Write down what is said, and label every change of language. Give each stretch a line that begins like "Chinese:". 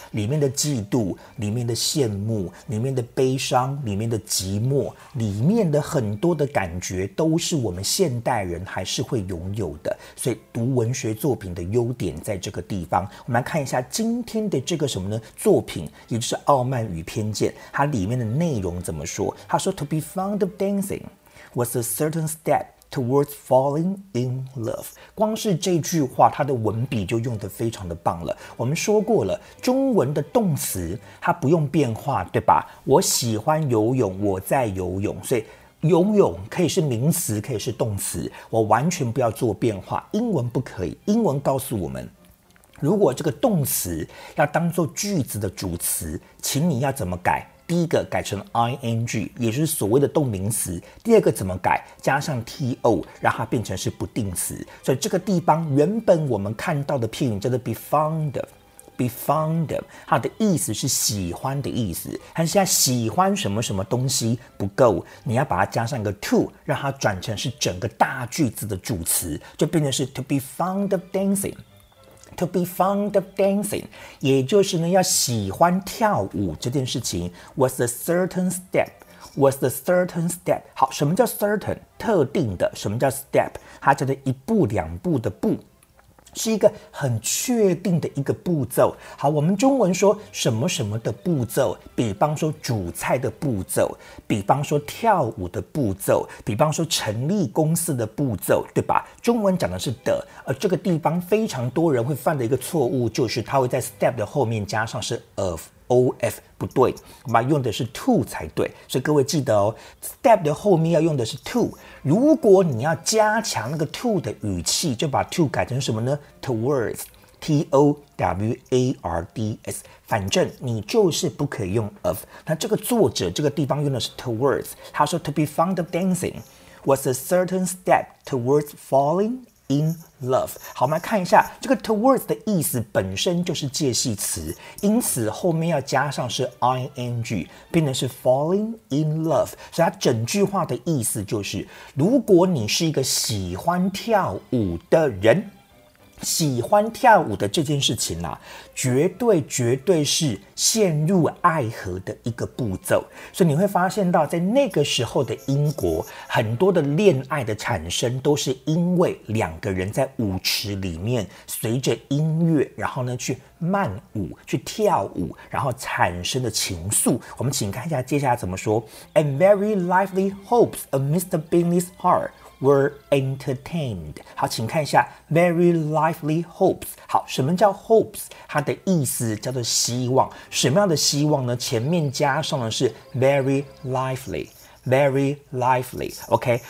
Chinese: 里面的嫉妒，里面的羡慕，里面的悲伤，里面的寂寞，里面的很多的感觉都是我们现代人还是会拥有的。所以读文学作品的优点在这个地方。我们来看一下今天的这个什么呢？作品，也就是《傲慢与偏见》，它里面的内容怎么说？它说
English: To be fond of dancing was a certain step towards falling in love。
Chinese: 光是这句话它的文笔就用得非常的棒了。我们说过了，中文的动词它不用变化，对吧？我喜欢游泳，我在游泳，所以游泳可以是名词，可以是动词，我完全不要做变化。英文不可以，英文告诉我们，如果这个动词要当作句子的主词，请你要怎么改？第一个改成 ing， 也是所谓的动名词。第二个怎么改？加上 to， 让它变成是不定词。所以这个地方原本我们看到的片语叫做
English: be fond of， be fond of，
Chinese: 它的意思是喜欢的意思。但是现在喜欢什么什么东西不够，你要把它加上一个 to， 让它转成是整个大句子的主词，就变成是
English: to be fond of dancing。 To be fond of dancing，
Chinese: 也就是呢要喜欢跳舞这件事情。
English: Was a certain step， was a certain step。
Chinese: 好，什么叫 certain？特定的。什么叫 step？它叫做一步两步的步，是一个很确定的一个步骤。好，我们中文说什么什么的步骤，比方说煮菜的步骤，比方说跳舞的步骤，比方说成立公司的步骤，对吧？中文讲的是的，而这个地方非常多人会犯的一个错误，就是它会在 step 的后面加上是 of。 OF 不对，我们用的是 to 才对。所以各位记得哦， step 的后面要用的是 to。如果你要加强那个 to 的语气，就把 to 改成什么呢？ towards， towards， 反正你就是不可以用 of。那这个作者这个地方用的是
English: towards，
Chinese: 他说
English: to be fond of dancing was a certain step towards falling in love。
Chinese: 好，我们来看一下这个 towards 的意思本身就是介系词，因此后面要加上是 ing， 变成是
English: falling in love。
Chinese: 所以它整句话的意思就是，如果你是一个喜欢跳舞的人，喜欢跳舞的这件事情啊，绝对绝对是陷入爱河的一个步骤。所以你会发现到在那个时候的英国，很多的恋爱的产生都是因为两个人在舞池里面随着音乐，然后呢去慢舞去跳舞，然后产生的情愫。我们请看一下接下来怎么说。
English: And very lively hopes of Mr. Bingley's heartwere entertained。
Chinese: 好，请看一下
English: very lively hopes。
Chinese: 好，什么叫 hopes？ 它的意思叫做希望。什么样的希望呢？前面加上的是
English: very lively， very lively，
Chinese: OK。